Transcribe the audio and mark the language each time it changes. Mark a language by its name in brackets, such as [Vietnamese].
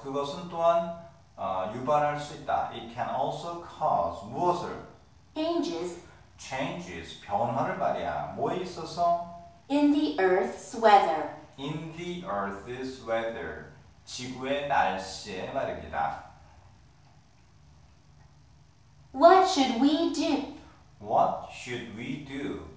[Korean] 그것은 또한 유발할 수 있다. [English] It can also cause [Korean] 무엇을? [English] Changes. [Korean] 변화를 말이야. 뭐에 있어서? [English] In the earth's weather. In the earth's weather. [Korean] 지구의 날씨에 말입니다. [English] What should we do? What should we do?